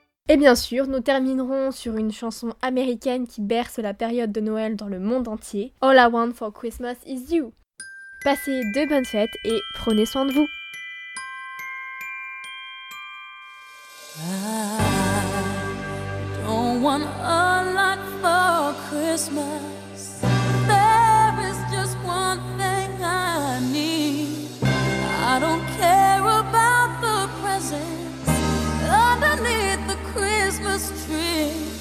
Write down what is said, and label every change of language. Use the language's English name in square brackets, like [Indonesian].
[French] Et bien sûr, nous terminerons sur une chanson américaine qui berce la période de Noël dans le monde entier. [English] All I want for Christmas is you. [French] Passez de bonnes fêtes et prenez soin de vous. [English] I don't want a lot for Christmas. There is just one thing I need. I don't care about the presents underneath the Christmas tree.